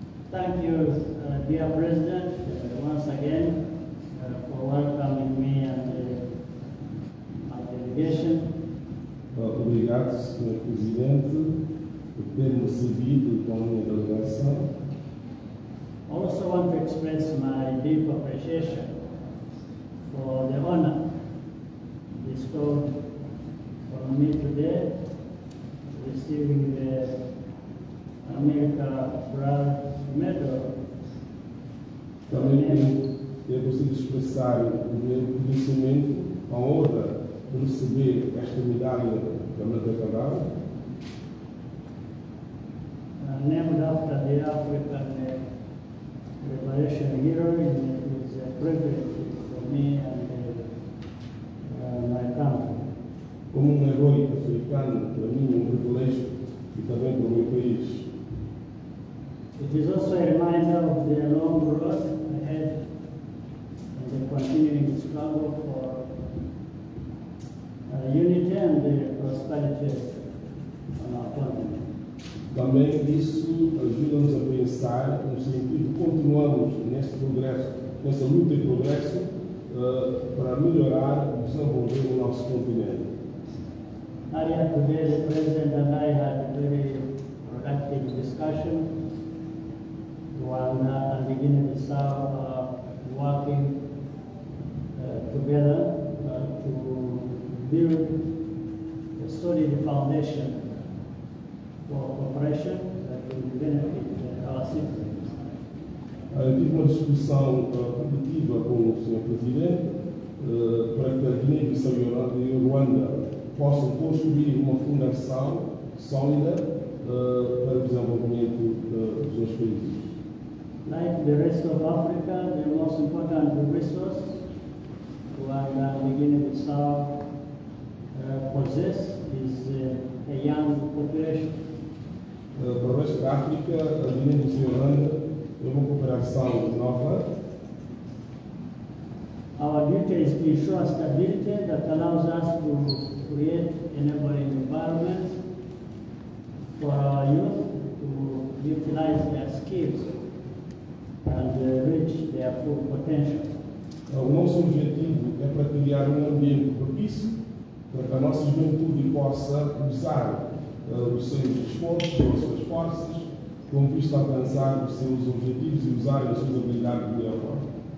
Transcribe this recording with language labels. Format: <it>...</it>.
<en>Thank you, dear President, once again, for welcoming me and my delegation.</en> <pt>Obrigado, Sr. Presidente, por ter recebido com a minha delegação.</pt> <en>Also want to express my deep appreciation for the honor bestowed for me today, receiving the America Bronze Medal.</en> <pt>Também eu consigo expressar o meu conhecimento, a honra de receber esta medalha da Medalha de Ouro.</pt> <en>Named after the African Revolution Hero, it is a privilege for me and my country.</en> <pt>Como herói africano, para mim é privilégio e também para o meu país.</pt> <en>It is also a reminder of the long road ahead and the continuing struggle for unity and the prosperity on our continent.</en> <pt>Também isso ajuda-nos a pensar no sentido de continuarmos neste progresso, nessa luta e progresso, para melhorar e desenvolver o nosso continente.</pt> <en>Earlier today, the President and I had a very productive discussion while at the beginning of the South working together to build a solid foundation for cooperation that will benefit our citizens.</en> <pt>Eu tive uma discussão produtiva com o Sr. Presidente para que a Guiné-Bissau e o Ruanda possam construir uma fundação sólida para o desenvolvimento dos dois países.</pt> <en>Like the rest of Africa, the most important resource Rwanda and Guinea-Bissau possess is a young population.</en> <pt>Para o resto da África, a Guiné-Bissau e Rwanda é uma cooperação nova.</pt> <en>Our duty is to ensure stability that allows us to create enabling environments for our youth to utilize their skills and reach their full potential.</en> <pt>O nosso objetivo é para criar um ambiente propício para que a nossa juventude possa usar os seus esforços, as suas forças, com vista a alcançar os seus objetivos e usar as suas habilidades de melhor forma.</pt>